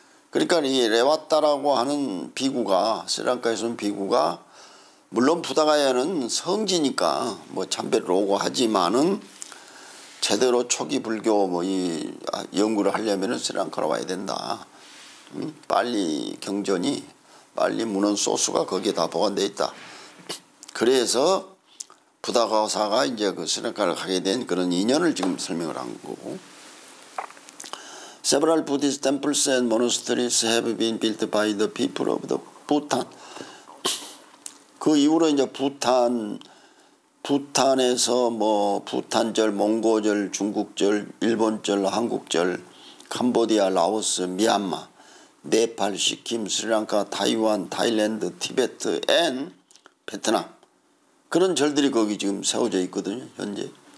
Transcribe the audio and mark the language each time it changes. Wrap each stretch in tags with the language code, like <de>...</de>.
<ko>그러니까 이 레와타라고 하는 비구가, 스리랑카에서는 비구가, 물론 부다가야는 성지니까 뭐 참배를 오고 하지만은 제대로 초기 불교 뭐 이 연구를 하려면은 스리랑카로 와야 된다. 빨리 경전이, 빨리 문헌 소수가 거기에 다 보관되어 있다. 그래서 부다가사가 이제 그 스리랑카를 가게 된 그런 인연을 지금 설명을 한 거고.</ko> <en>Several Buddhist temples and monasteries have been built by the people of the Bhutan.</en> <ko>그 이후로 이제 부탄에서 뭐 부탄절, 몽고절, 중국절, 일본절, 한국절, 캄보디아, 라오스, 미얀마, 네팔, 시킴, 스리랑카, 타이완, 타일랜드, 티베트, 앤 베트남 그런 절들이 거기 지금 세워져 있거든요 현재.</ko>